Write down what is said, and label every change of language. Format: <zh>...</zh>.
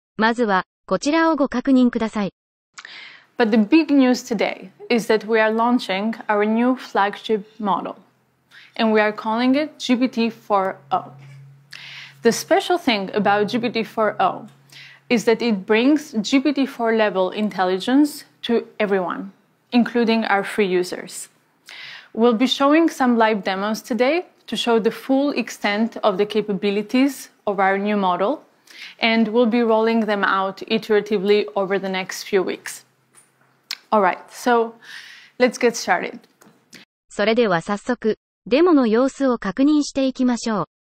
<ja>まずはこちらをご確認ください。</ja> <en>But the big news today is that we are launching our new flagship model, and we are calling it GPT-4o. The special thing about GPT-4o is that it brings GPT-4 level intelligence to everyone, including our free users. We'll be showing some live demos today to show the full extent of the capabilities of our new model, and we'll be rolling them out iteratively over the next few weeks. All right, so let's get started.</en> <ja>それでは早速、デモの様子を確認していきましょう。</ja>